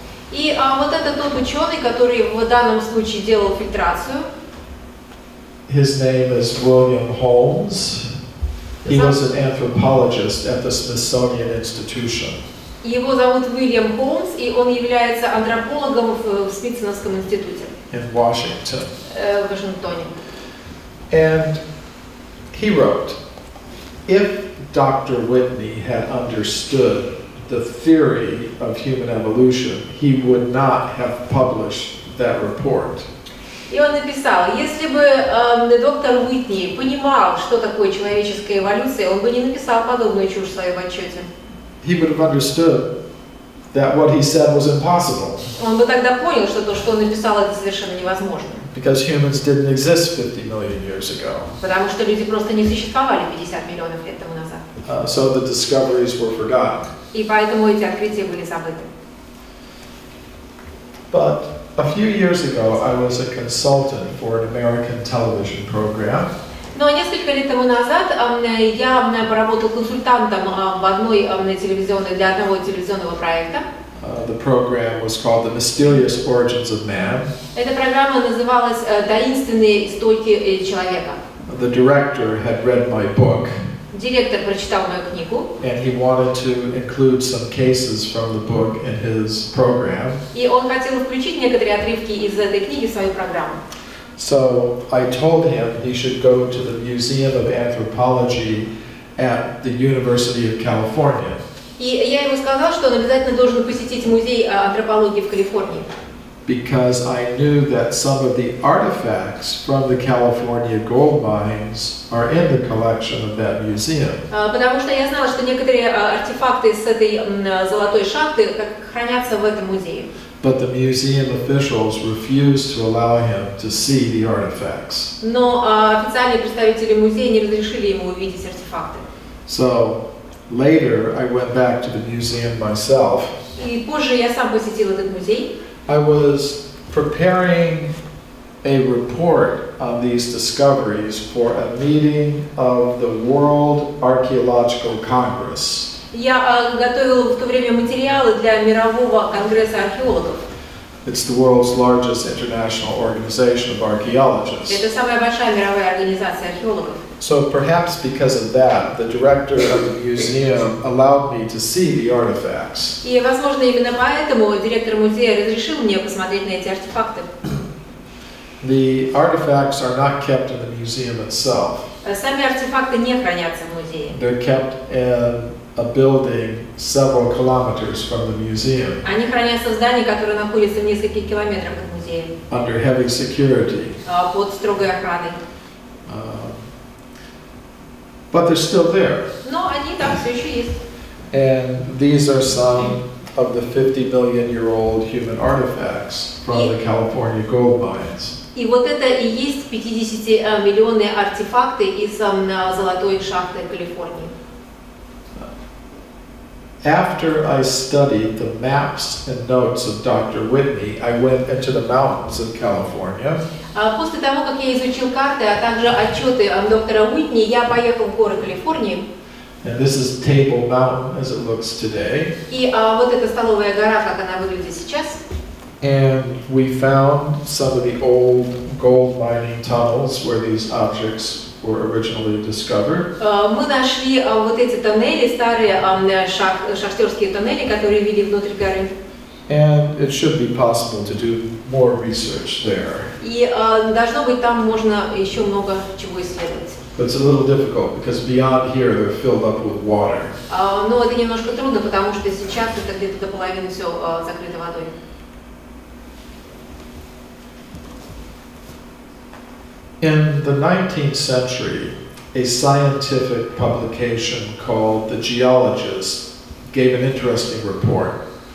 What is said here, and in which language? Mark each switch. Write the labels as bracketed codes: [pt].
[ru] И вот это тот ученый, который в данном случае делал фильтрацию. [en] His name is William Holmes. He was an anthropologist at the Smithsonian Institution. [ru] Его зовут Уильям Холмс, и он является антропологом в Смитсоновском институте. [en] In Washington. [ru] В Вашингтоне. [en] And he wrote, if Dr. Whitney had understood the theory of human evolution, he would not have published that report. [ru] И он написал, если бы доктор Уитни понимал, что такое человеческая эволюция, он бы не написал подобную чушь в своем отчете. [en] He would have understood that what he said was impossible. [ru] Он бы тогда понял, что то, что он написал, это совершенно невозможно. [en] Because humans didn't exist 50 million years ago. [ru] Потому что люди просто не существовали 50 миллионов лет тому назад. [en] So the discoveries were forgotten. [ru] И поэтому эти открытия были забыты. [en] But a few years ago, I was a consultant for an American television program. [ru] Но несколько лет тому назад я поработал консультантом в одной телевизионной для одного телевизионного проекта. [en] The program was called The Mysterious Origins of Man. [ru] Эта программа называлась «Таинственные истоки человека». [en] The director had read my book. [ru] Директор прочитал мою книгу. [en] And he wanted to include some cases from the book in his program. [ru] И он хотел включить некоторые отрывки из этой книги в свою программу. [en] So I told him he should go to the Museum of Anthropology at the University of California. [ru] И я ему сказал, что он обязательно должен посетить музей антропологии в Калифорнии. [en] Because I knew that some of the artifacts from the California gold mines are in the collection of that museum. [ru] Потому что я знала, что некоторые артефакты с этой золотой шахты хранятся в этом музее. [en] But the museum officials refused to allow him to see the artifacts. [ru] Но официальные представители музея не разрешили ему увидеть артефакты. [en] So later I went back to the museum myself. [ru] И позже я сам посетил этот музей. [en] I was preparing a report on these discoveries for a meeting of the World Archaeological Congress. [ru] Я готовил в то время материалы для Мирового конгресса археологов. [en] It's the world's largest international organization of archaeologists. [ru] Это самая большая мировая организация археологов. [en] So perhaps because of that, the director of the museum allowed me to see the artifacts. [ru] И, возможно, именно поэтому директор музея разрешил мне посмотреть на эти артефакты. [en] The artifacts are not kept in the museum itself. [ru] Сами артефакты не хранятся в музее. [en] They're kept in a building several kilometers from the museum. [ru] Они хранятся в здании, которое находится в нескольких километрах от музея. [en] Under heavy security. [ru] Под строгой охраной. [en] But they're still there. [ru] Но они там все еще есть. [en] And these are some of the 50 million year old human artifacts from the California gold mines. [ru] И вот это и есть 50-миллионные артефакты из золотой шахты Калифорнии. [en] After I studied the maps and notes of Dr. Whitney, I went into the mountains of California. [ru] После того, как я изучил карты, а также отчеты доктора Уитни, я поехал в горы Калифорнии. [en] And this is Table Mountain as it looks today. [ru] И вот эта столовая гора, как она выглядит сейчас. [en] And we found some of the old gold mining tunnels where these objects were originally discovered. [ru] Мы нашли вот эти тоннели, старые шахтерские тоннели, которые вели внутрь горы. [en] And it should be possible to do more research there. [ru] И должно быть там можно еще много чего исследовать. [en] But it's a little difficult because beyond here they're filled up with water. [ru] Но это немножко трудно, потому что сейчас это где-то до половины все закрыто водой. [en] In the 19th century, a scientific publication called The Geologist gave an interesting report.